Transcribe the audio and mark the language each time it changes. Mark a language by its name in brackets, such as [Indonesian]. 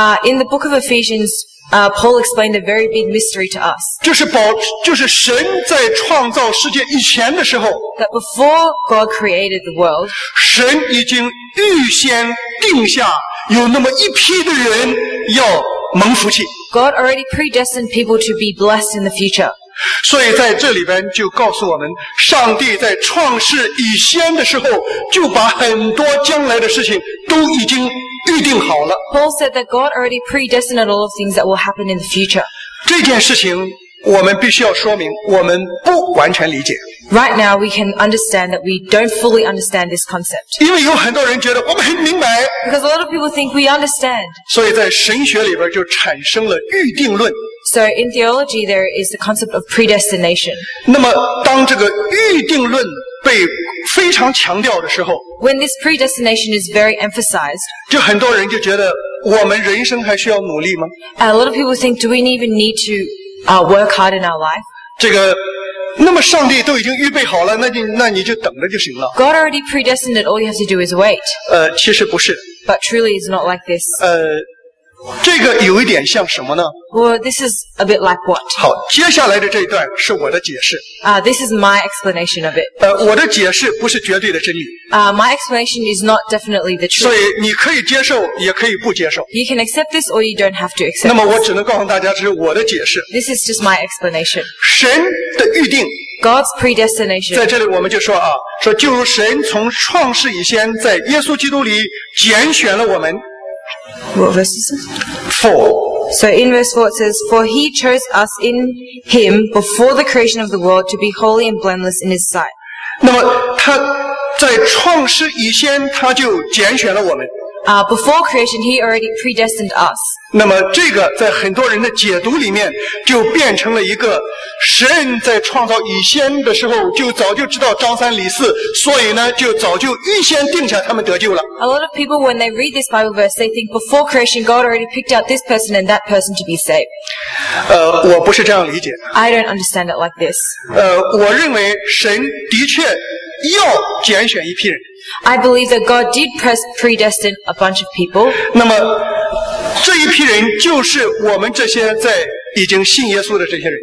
[English] In the book of Ephesians, Paul explained a very big mystery to us. [Chinese] 就是神在创造世界以前的时候。 [English] That before God created the world, [Chinese] 神已经预先定下有那么一批的人要蒙福气。 [English] God already predestined people to be blessed in the future. [Chinese] 所以在这里边就告诉我们，上帝在创世以先的时候，就把很多将来的事情都已经预定好了。 [English] Paul said that God already predestined all of things that will happen in the future. [Chinese] 这件事情我们必须要说明，我们不完全理解。 [English] Right now, we can understand that we don't fully understand this concept. [Chinese] 因为有很多人觉得我们很明白。 [English] Because a lot of people think we understand. [Chinese] 所以在神学里边就产生了预定论。 [English] So in theology, there is the concept of predestination. [Chinese] 那么当这个预定论被非常强调的时候， [English] When this predestination is very emphasized, [Chinese] 就很多人就觉得我们人生还需要努力吗？ [English] A lot of people think, do we even need to work hard in our life? [Chinese] 这个那么上帝都已经预备好了，那你就等着就行了。 [English] God already predestined it, all you have to do is wait. [Chinese] 其实不是。 [English] But truly it's not like this. [Chinese] 这个有一点像什么呢？ [English] Well, this is a bit like what? [Chinese] 好，接下来的这一段是我的解释。 [English] This is my explanation of it. [Chinese] 我的解释不是绝对的真理。 [English] My explanation is not definitely the truth. [Chinese] 所以你可以接受，也可以不接受。 [English] You can accept this or you don't have to accept. [Chinese] 那么我只能告诉大家，这是我的解释。 [English] This is just my explanation. [Chinese] 神的预定。 [English] God's predestination. [Chinese] 在这里我们就说啊，说就如神从创世以先，在耶稣基督里拣选了我们。 [English] What verse is it? 4. So in verse 4 it says, For he chose us in him before the creation of the world to be holy and blameless in his sight. [Chinese] 那么他在创世以先他就拣选了我们。 [English] Before creation he already predestined us. [Chinese] 那么这个在很多人的解读里面就变成了一个神在创造以先的时候就早就知道张三李四，所以呢就早就预先定下他们得救了。 [English] A lot of people when they read this Bible verse they think before creation God already picked out this person and that person to be saved. [Chinese] 我不是这样理解。 [English] I don't understand it like this. [Chinese] 我认为神的确要拣选一批人。 [English] I believe that God did predestine a bunch of people. [Chinese] 那么这一批人就是我们这些在已经信耶稣的这些人。